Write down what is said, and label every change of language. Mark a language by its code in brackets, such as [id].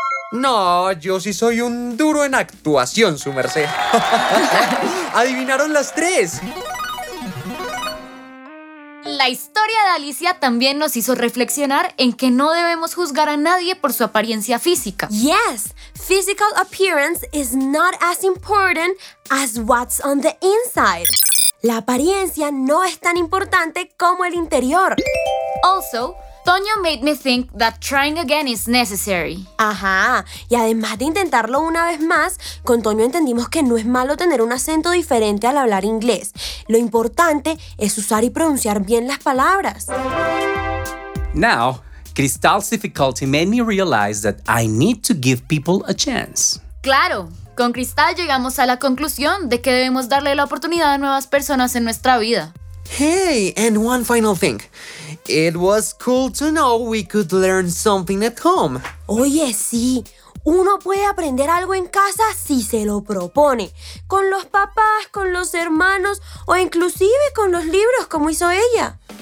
[es] No, yo sí soy un duro en actuación, su merced. ¡Adivinaron las tres! La historia de Alicia también nos hizo reflexionar en que no debemos juzgar a nadie por su apariencia física. [en] Yes, physical appearance is not as important as what's on the inside. [es] La apariencia no es tan importante como el interior. [en] Also, Toño made me think that trying again is necessary. Ajá. [es] Y además de intentarlo una vez más, con Toño entendimos que no es malo tener un acento diferente al hablar inglés. Lo importante es usar y pronunciar bien las palabras. [en] Now, Cristal's difficulty made me realize that I need to give people a chance. [es] Claro. Con Cristal llegamos a la conclusión de que debemos darle la oportunidad a nuevas personas en nuestra vida. [en] Hey, and one final thing. It was cool to know we could learn something at home. [es] Oye, sí. Uno puede aprender algo en casa si se lo propone. Con los papás, con los hermanos, o inclusive con los libros, como hizo ella.